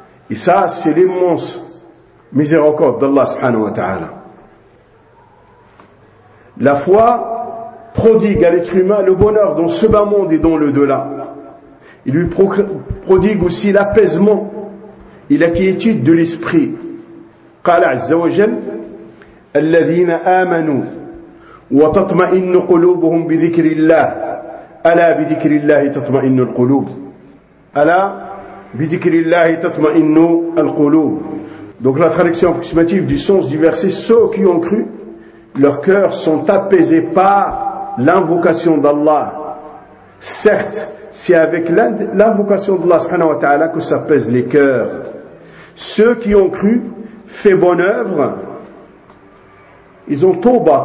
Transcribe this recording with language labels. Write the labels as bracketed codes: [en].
[fr] Et ça, c'est l'immense miséricorde d'Allah subhanahu wa ta'ala. La foi prodigue à l'être humain le bonheur dans ce bas monde et dans l'au-delà. Il lui prodigue aussi l'apaisement et la quiétude de l'esprit. [ar] قال عز وجل الذين آمنوا وتطمئن قلوبهم بذكر الله ألا بذكر الله تطمئن القلوب ألا بذكر الله تطمئن القلوب. [fr] Donc la traduction approximative du sens du verset, ceux qui ont cru, leurs cœurs sont apaisés par l'invocation d'Allah. Certes, c'est avec l'invocation d'Allah subhanahu wa ta'ala que s'apaise les cœurs. Ceux qui ont cru, fait bonne œuvre, ils ont tauba.